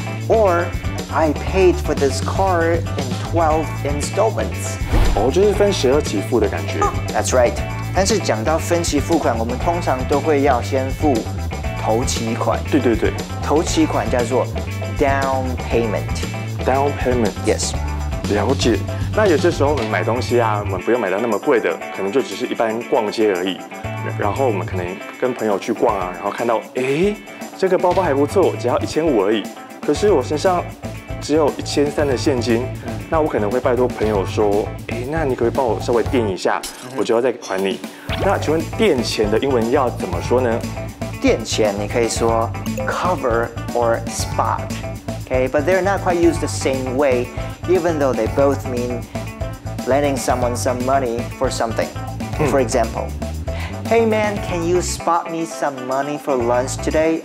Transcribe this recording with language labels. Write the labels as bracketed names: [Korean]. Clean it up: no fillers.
[English] Or I paid for this car in 12 installments. [Chinese] 哦，就是分十二期付的感觉。 [English] That's right. [Chinese] 但是讲到分期付款，我们通常都会要先付头期款。对对对，头期款叫做 down payment. [English] Down payment. Yes. [Chinese] 了解。那有些时候我们买东西啊，我们不用买到那么贵的，可能就只是一般逛街而已。然后我们可能跟朋友去逛啊，然后看到，哎，这个包包还不错，只要1500而已。可是我身上只有1300的现金，那我可能会拜托朋友说，哎，那你可不可以帮我稍微垫一下，我就要再还你。那请问垫钱的英文要怎么说呢？垫钱你可以说 [English] cover or spot。 Okay, but they're not quite used the same way, even though they both mean lending someone some money for something. For example, Hey man, can you spot me some money for lunch today?